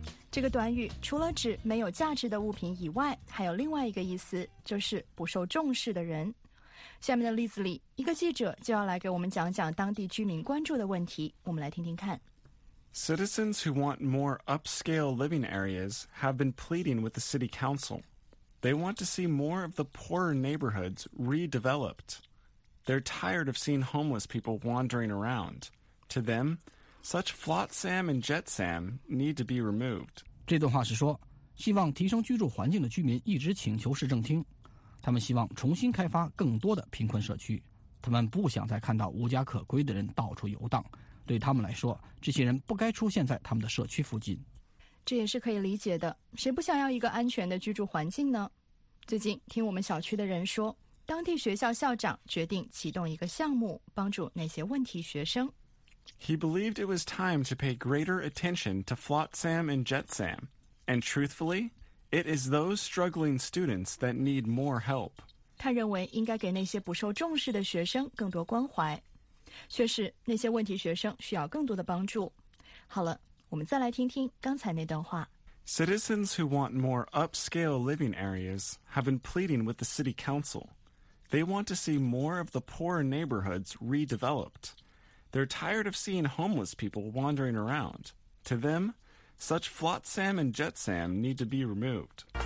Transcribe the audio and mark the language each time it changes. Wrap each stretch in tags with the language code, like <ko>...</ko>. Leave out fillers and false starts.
<zh>这个短语除了指没有价值的物品以外，还有另外一个意思，就是不受重视的人。下面的例子里，一个记者就要来给我们讲讲当地居民关注的问题，我们来听听看。</zh> <en>Citizens who want more upscale living areas have been pleading with the city council. They want to see more of the poorer neighborhoods redeveloped. They're tired of seeing homeless people wandering around. To them,Such flotsam and jetsam need to be removed.</en> <zh>这段话是说，希望提升居住环境的居民一直请求市政厅，他们希望重新开发更多的贫困社区，他们不想再看到无家可归的人到处游荡，对他们来说，这些人不该出现在他们的社区附近。这也是可以理解的，谁不想要一个安全的居住环境呢？最近听我们小区的人说，当地学校校长决定启动一个项目，帮助那些问题学生。</zh> <en>He believed it was time to pay greater attention to flotsam and jetsam. And truthfully, it is those struggling students that need more help.</en> <zh>他认为应该给那些不受重视的学生更多关怀。确实，那些问题学生需要更多的帮助。好了，我们再来听听刚才那段话。</zh> <en>Citizens who want more upscale living areas have been pleading with the city council. They want to see more of the poorer neighborhoods redeveloped. They're tired of seeing homeless people wandering around. To them, such flotsam and jetsam need to be removed.</en>